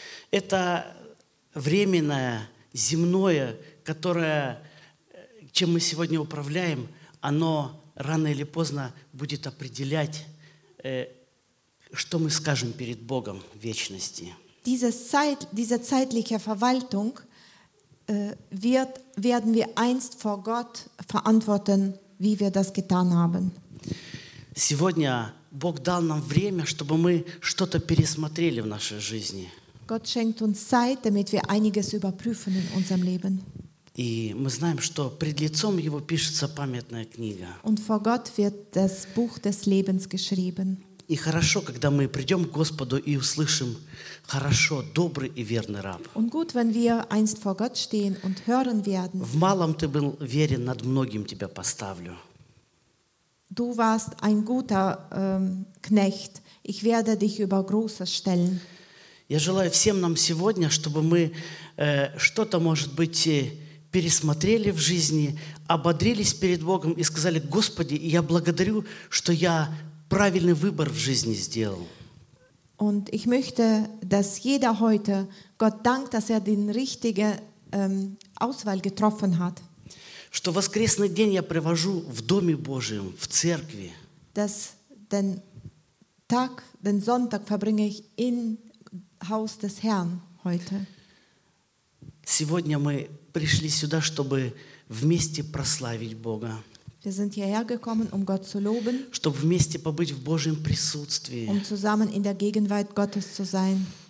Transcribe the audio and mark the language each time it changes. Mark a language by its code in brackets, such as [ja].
[ru] Это временное, земное, которое, чем мы сегодня управляем, оно рано или поздно будет определять, что мы скажем перед Богом в вечности. [de] Diese zeitliche Verwaltung werden wir einst vor Gott verantworten, wie wir das getan haben. [ru] Сегодня Бог дал нам время, чтобы мы что-то пересмотрели в нашей жизни. [de] Gott schenkt uns Zeit, damit wir einiges überprüfen in unserem Leben. [ru] И мы знаем, что пред лицом Его пишется памятная книга. [de] Und vor Gott wird das Buch des Lebens geschrieben. [ru] И хорошо, когда мы придем к Господу и услышим: «Хорошо, добрый и верный раб». [de] Und gut, wenn wir einst vor Gott stehen und hören werden. [ru] В малом ты был верен, над многим тебя поставлю. [de] Du warst ein guter Knecht. Ich werde dich über Großes stellen. [ru] Я желаю всем нам сегодня, чтобы мы что-то, может быть, пересмотрели в жизни, ободрились перед Богом и сказали: «Господи, я благодарю, что я правильный выбор в жизни сделал». [de] Und ich möchte, dass jeder heute Gott dankt, dass den richtigen Auswahl getroffen hat. [ru] Что воскресный день я провожу в Доме Божьем, в церкви. [de] Dass den Tag, den Sonntag verbringe ich im Haus des Herrn heute. [ru] Сегодня мы пришли сюда, чтобы вместе прославить Бога. [de] Wir sind hierher gekommen, um Gott zu loben. [ru] Чтобы вместе побыть в Божьем присутствии. [de] Um zusammen in der Gegenwart Gottes zu sein.